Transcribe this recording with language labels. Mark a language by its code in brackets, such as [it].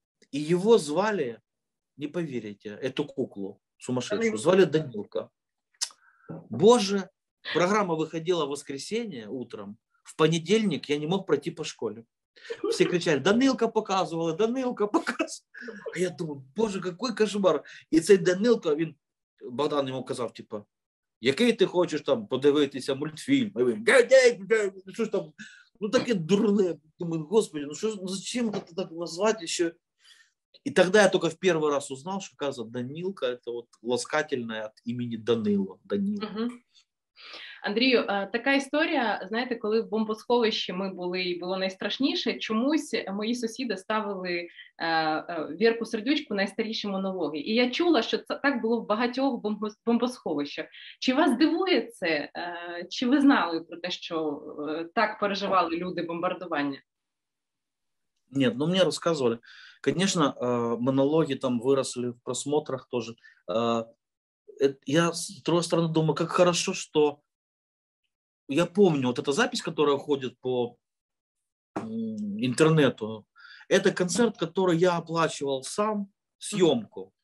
[ru] И его звали, не поверите, эту куклу сумасшедшую, звали Данилка. Боже, программа выходила в воскресенье утром, в понедельник я не мог пройти по школе. Все кричали, Данилка показывала, Данилка показывала. А я думаю, боже, какой кошмар. [uk] И цей Данилка, він, Богдан йому казав, типа, який ти хочеш там подивитися мультфільм? А він, що ж там, ну таке дурне. Думаю, господи, ну що, зачем це так назвати ще? І тоді я тільки в перший раз узнав, що каза Данилка, це от ласкательне від імені Данило, Данило. Андрію, така історія, знаєте, коли в бомбосховищі ми були і було найстрашніше, чомусь мої сусіди ставили Вірку Сердючку найстаріші монологи. І я чула, що це так було в багатьох бомбосховищах. Чи вас дивує це? Чи ви знали про те, що так переживали люди бомбардування? Ні, ну мені розказували. Звісно, монологи там виросли в просмотрах теж. Я з іншої сторони думаю, як добре, що я помню, [ru] вот эта запись, которая ходит по интернету, это концерт, который я оплачивал сам, съемку.